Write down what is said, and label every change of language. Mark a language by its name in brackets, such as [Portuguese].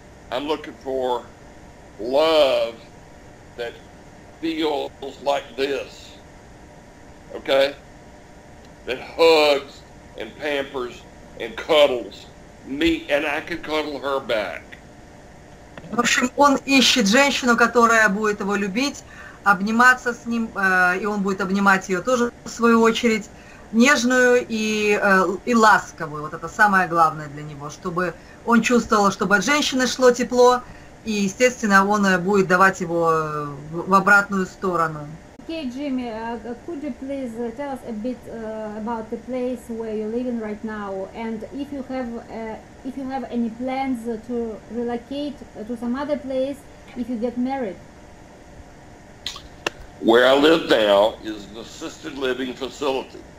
[English] I'm looking for love that feels like this. Okay? That hugs and pampers and cuddles me, and I can cuddle her back. [Russian] В общем, он ищет женщину, которая будет его любить, обниматься с ним, и он будет обнимать ее тоже в свою очередь, нежную и ласковую. Вот это самое главное для него, чтобы он чувствовал, чтобы от женщины шло тепло, и, естественно, он будет давать его в обратную сторону. [English] Okay, Jimmy, could you please tell us a bit about the place where you're living right now, and if you have any plans to relocate to some other place if you get married? Where I live now is an assisted living facility.